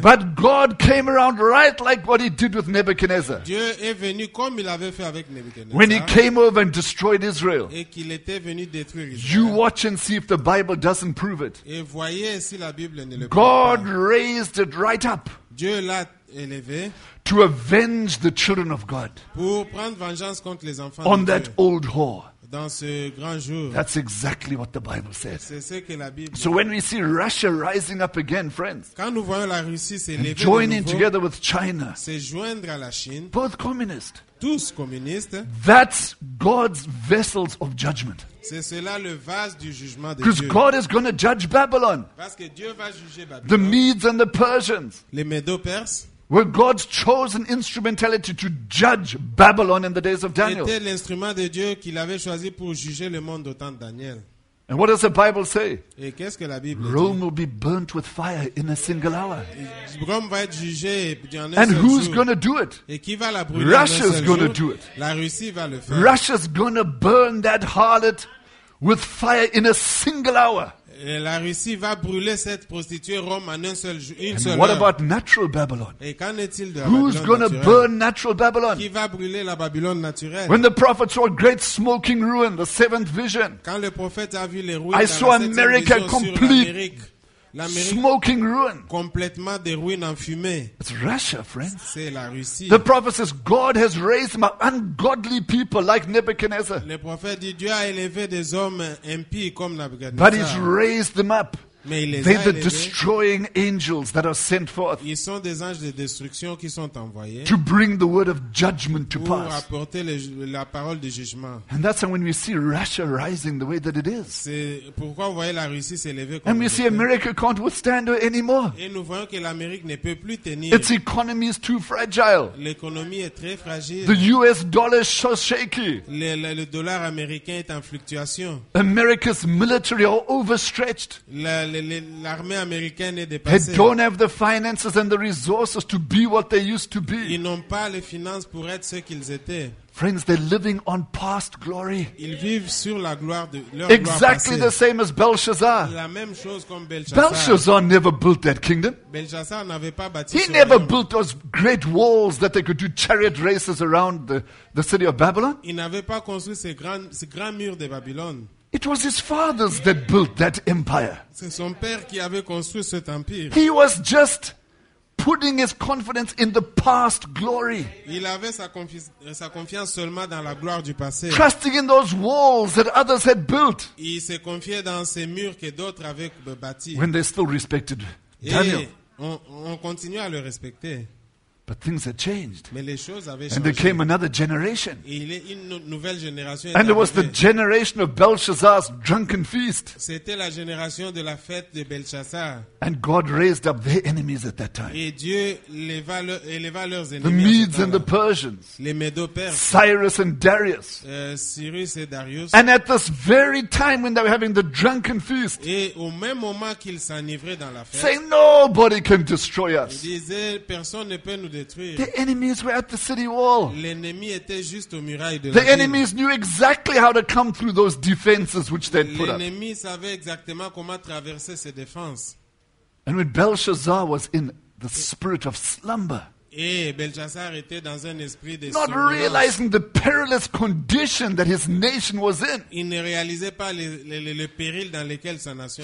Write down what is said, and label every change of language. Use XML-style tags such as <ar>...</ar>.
<en>But God came around right like what he did with Nebuchadnezzar.</en> <fr>Dieu est venu comme il avait fait avec Nebuchadnezzar.</fr> <en>When he came over and destroyed Israel.</en> <fr>Et qu'il était venu détruire Israël.</fr> <en>You watch and see if the Bible doesn't prove it.</en> <fr>Et voyez si la Bible ne le prouve.</fr> <en>God raised it right up.</en> <fr>Dieu l'a élevé.</fr> <en>To avenge the children of God</en> <fr>pour prendre vengeance contre les enfants</fr> <en>on</en> <fr>de</fr> <en>that</en> <fr>Dieu.</fr> <en>Old whore.</en> <fr>Dans ce grand jour.</fr> <en>That's exactly what the Bible says.</en> <fr>C'est ce que la Bible</fr> <en>so when we see Russia rising up again, friends,</en> <fr>quand nous voyons la Russie s'élever</fr> <en>joining</en> <fr>de nouveau,</fr> <en>together with China,</en> <fr>se joindre à la Chine,</fr> <en>both communists,</en> <fr>tous communistes.</fr> <en>That's God's vessels of judgment.</en> <fr>C'est cela le vase du jugement de Dieu.</fr> <en>Because God is going to judge Babylon.</en> <fr>Parce que Dieu va juger Babylon.</fr> <en>The Medes and the Persians.</en> <fr>Les Médo-Perses.</fr> <en>Were God's chosen instrumentality to judge Babylon in the days of Daniel.</en> <fr>C'était l'instrument de Dieu qu'il avait choisi pour juger le monde au temps de Daniel.</fr> <en>And what does the Bible say?</en> <fr>Et qu'est-ce que la Bible dit?</fr> <en>Rome will be burnt with fire in a single hour.</en> <fr>Rome va être jugé en un seul jour.</fr> <en>And who's going to do it?</en> <fr>Et qui va la brûler?</fr> <en>Russia is going to do it.</en> <fr>La Russie va le faire.</fr> <en>Russia is going to burn that harlot with fire in a single hour.</en> <fr>Et la Russie va brûler cette prostituée Rome en un seul jour.</fr> <en>And</en> <fr>seule</fr> <en>what</en> <fr>heure.</fr> <en>About natural Babylon?</en> <fr>Et qu'en est-il de</fr> <en>Who's going to burn natural Babylon?</en> <fr>Qui va brûler la Babylone naturelle?</fr> <en>When the prophet saw a great smoking ruin, the seventh vision.</en> <fr>Quand le prophète a vu les ruines,</fr> <en>I saw America complete. Smoking ruin.</en> <fr>Complètement des ruines en fumée.</fr> <en>It's Russia, friends.</en> <fr>C'est la Russie.</fr> <en>The prophet says God has raised my ungodly people like Nebuchadnezzar.</en> <fr>Le prophète dit Dieu a élevé des hommes impies comme Nebuchadnezzar.</fr> <en>But he's raised them up.</en> <fr>Mais il les</fr> <en>They're</en> <fr>a</fr> <en>the</en> <fr>élevé.</fr> <en>Destroying angels that are sent forth.</en> <fr>Ils sont des anges de destruction qui sont envoyés.</fr> <en>To bring the word of judgment to pass.</en> <fr>Pour apporter la parole de jugement.</fr> <en>And that's when we see Russia rising the way that it is.</en> <fr>C'est pourquoi vous voyez la Russie s'élever comme</fr> <en>And we see America can't withstand it anymore.</en> <fr>Et nous voyons que l'Amérique ne peut plus tenir.</fr> <en>Its economy is too fragile.</en> <fr>L'économie est très fragile.</fr> <en>The US dollar is so shaky.</en> <fr>Le dollar américain est en fluctuation.</fr> <en>America's military are overstretched.</en> <fr>L'armée américaine est dépassée.</fr> <en>They don't have the finances and the resources to be what they used to be.</en> <fr>Ils n'ont pas les finances pour être ce qu'ils étaient.</fr> <en>Friends, they're living on past glory.</en> <fr>Ils vivent sur la gloire de leur</fr> <en>Exactly</en> <fr>gloire</fr> <en>the same as Belshazzar.</en> <fr>La même chose comme Belshazzar.</fr> <en>Belshazzar never built that kingdom.</en> <fr>Belshazzar n'avait pas bâti.</fr> <en>He never built those great walls that they could do chariot races around the city of Babylon.</en> <fr>Il n'avait pas construit ces grands murs de Babylone.</fr> <en>It was his fathers that built that empire.</en> <fr>C'est son père qui avait construit cet empire.</fr> <en>He was just putting his confidence in the past glory.</en> <fr>Il avait sa confiance seulement dans la gloire du passé.</fr> <en>Trusting in those walls that others had built.</en> <fr>Il s'est confié dans ces murs que d'autres avaient bâti.</fr> <en>When they still respected Daniel.</en> <fr>Et on continuait à le respecter.</fr> <en>But things had changed.</en> <fr>Mais les choses avaient</fr> <en>And</en> <fr>changé.</fr> <en>There came another generation.</en> <fr>Et une nouvelle génération</fr> <en>And it</en> <fr>arrivée.</fr> <en>Was the generation of Belshazzar's drunken feast.</en> <fr>C'était la génération de la fête de Belshazzar.</fr> <en>And God raised up their enemies at that time.</en> <fr>Et Dieu éleva leurs ennemis.</fr> <en>The Medes and the Persians.</en> <fr>Les Médo-Perses.</fr> <en>Cyrus and Darius.</en> <fr>Cyrus et Darius.</fr> <en>And at this very time when they were having the drunken feast.</en> <fr>Et au même moment qu'ils s'enivraient dans la fête.</fr> <en>Saying nobody can destroy us.</en> <fr>Ils disaient personne ne peut nous détruire.</fr> <en>The enemies were at the city wall.</en> <fr>L'ennemi était juste aux murailles de la ville.</fr> <en>The enemies knew exactly how to come through those defenses which they put up.</en> <fr>L'ennemi savait exactement comment traverser ces défenses.</fr> <en>And when Belshazzar was in the spirit of slumber,</en> <fr>et Belshazzar était dans un esprit de</fr> <en>not realizing the perilous condition that his nation was in,</en> <fr>il ne réalisait pas le péril dans lequel sa nation</fr>